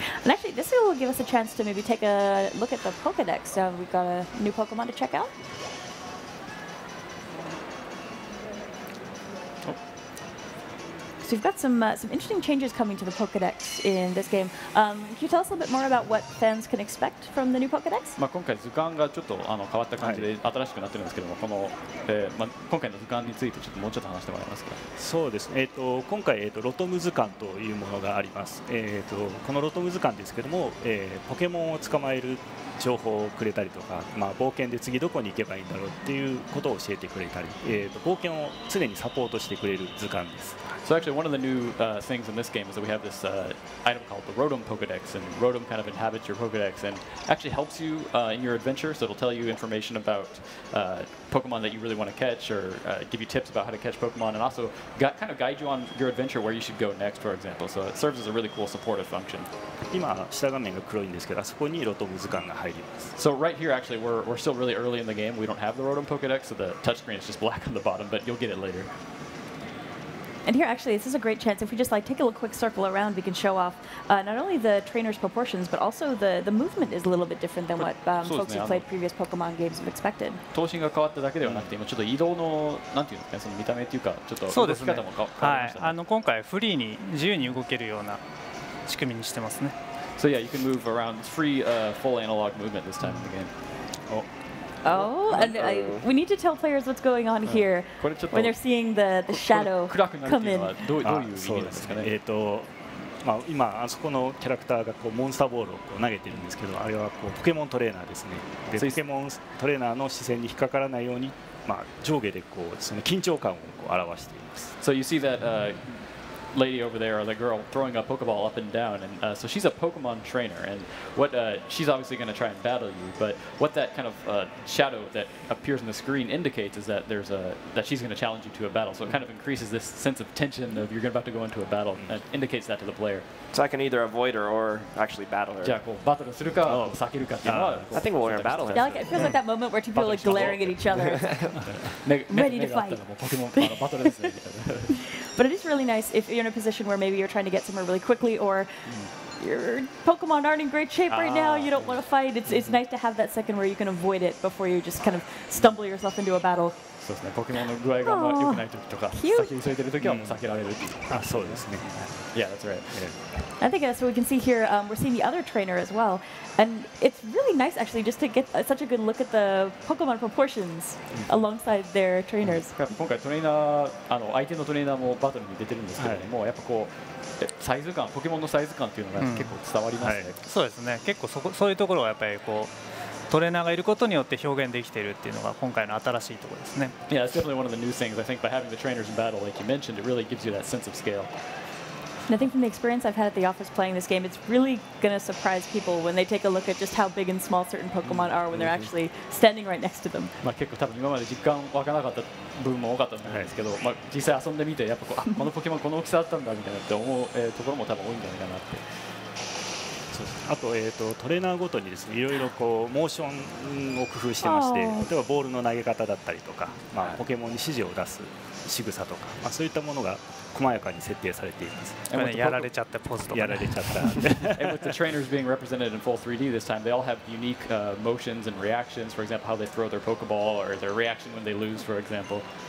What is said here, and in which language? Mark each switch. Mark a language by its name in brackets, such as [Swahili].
[English] And actually, this will give us a chance to maybe take a look at the Pokedex. So we've got a new Pokemon to check out. So we've got some interesting changes coming to the Pokedex in this game. Can you tell us a little bit more about what fans can expect from the new Pokedex? [Japanese] まあ今回図鑑がちょっと変わった感じで新しくなってるんですけども、この、まあ今回の図鑑についてちょっともうちょっと話してもらえますか。そうですね。今回ロトム図鑑というものがあります。このロトム図鑑ですけども、ポケモンを捕まえる情報をくれたりとか、まあ、冒険で次どこに行けばいいんだろうっていうことを教えてくれたり、冒険を常にサポートしてくれる図鑑です。 [English] So actually one of the new things in this game is that we have this item called the Rotom Pokedex, and Rotom kind of inhabits your Pokedex and actually helps you in your adventure, so it'll tell you information about Pokemon that you really want to catch or give you tips about how to catch Pokemon and also kind of guide you on your adventure where you should go next, for example. So it serves as a really cool supportive function. [Japanese] 今下画面が黒いんですけど、あそこにロトム図鑑が入ります。 [English] So right here actually we're still really early in the game. We don't have the Rotom Pokedex, so the touchscreen is just black on the bottom, but you'll get it later. And here actually this is a great chance. If we just like take a little quick circle around, we can show off not only the trainer's proportions, but also the movement is a little bit different than what folks who played previous Pokemon games have expected. [Japanese] 頭身が変わっただけではなくて、今ちょっと移動のなんていうのか、その見た目っていうか、ちょっと動き方も変わりましたね。はい、今回フリーに自由に動けるような仕組みにしてますね。 [English] So yeah, you can move around free, full analog movement this time in the game. Oh, and we need to tell players what's going on here when they're seeing the shadow come in. [Japanese] そうですね。まあ今あそこのキャラクターがこうモンスターボールをこう投げてるんですけど、あれはこうポケモントレーナーですね。で、ポケモントレーナーの視線に引っかからないように、まあ上下でこうその緊張感をこう表しています。 [English] So you see that, lady over there, or the girl throwing a Pokeball up and down, and so she's a Pokemon trainer, and what she's obviously going to try and battle you, but what that kind of shadow that appears on the screen indicates is that there's a that she's going to challenge you to a battle. So it kind of increases this sense of tension of you're about to go into a battle, and indicates that to the player. So I can either avoid her or actually battle her. [Japanese] じゃあこうバトルするか避けるかっていうのは、 [English] I think we're going to battle her. Yeah, like, it feels like that moment where two people are glaring at each other, ready to fight. [Japanese] Pokemon からバトルですね。 [English] But it is really nice if you're in a position where maybe you're trying to get somewhere really quickly, or your Pokemon aren't in great shape right now, you don't want to fight. It's nice to have that second where you can avoid it before you just kind of stumble yourself into a battle. [Japanese] そうですね。ポケモンの具合が良くない時とか、先に急いでる時はもう避けられる。あ、そうですね。 [English] Yeah, that's right. I think so. We can see here, we're seeing the other trainer as well, and it's really nice actually just to get such a good look at the Pokemon proportions alongside their trainers. [Japanese] 今回トレーナー、相手のトレーナーもバトルに出てるんですけども、はい、やっぱこうサイズ感、ポケモンのサイズ感っていうのが結構伝わりますね。そうですね。結構そういうところはやっぱりこうトレーナーがいることによって表現できているっていうのが今回の新しいところですね。 [English] Yeah, it's definitely one of the new things. I think by having the trainers in battle, like you mentioned, it really gives you that sense of scale. And I think from the experience I've had at the office playing this game, it's really going to surprise people when they take a look at just how big and small certain Pokemon are when they're actually standing right next to them. [Japanese] まあ結構多分今まで実感湧かなかった部分も多かったと思うんですけど、まあ実際遊んでみてやっぱこう、あ、このポケモンこの大きさだったんだみたいなって思うところも多分多いんじゃないかなって。あと、トレーナーごとにですね、いろいろこうモーションを工夫してまして、例えばボールの投げ方だったりとか、まあ、ポケモンに指示を出す仕草とか、まあ、そういったものが細やかに設定されています。やられちゃったポーズとか、ね。やられちゃった。 [English] And with the trainers being represented in full 3D this time, they all have unique motions and reactions. For example, how they throw their Pokeball or their reaction when they lose, for example.